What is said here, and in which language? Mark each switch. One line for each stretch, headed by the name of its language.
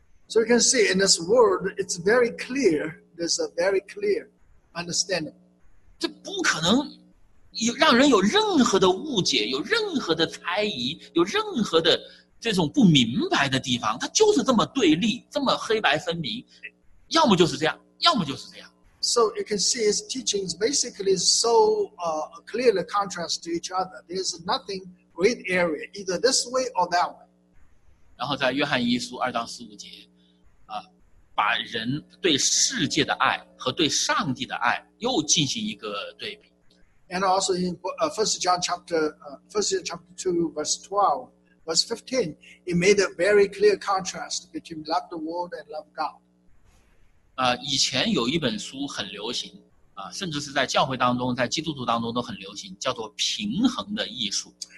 English: So you can see in this world, it's very clear. There's a very clear understanding.
Chinese: 这不可能有让人有任何的误解、有任何的猜疑、有任何的这种不明白的地方。它就是这么对立、这么黑白分明，要么就是这样，要么就是这样。
English: So you can see his teachings basically so clearly contrast to each other. There's nothing gray area, either this way or that way.
Chinese: 然后在约翰一书二章十五节，把人对世界的爱和对上帝的爱又进行一个对比。
English: And also in First John chapter two, verse fifteen, it made a very clear contrast between love the world and love God.
Chinese: 以前有一本书很流行甚至是在教会当中，在基督徒当中都很流行，叫做平衡的艺术。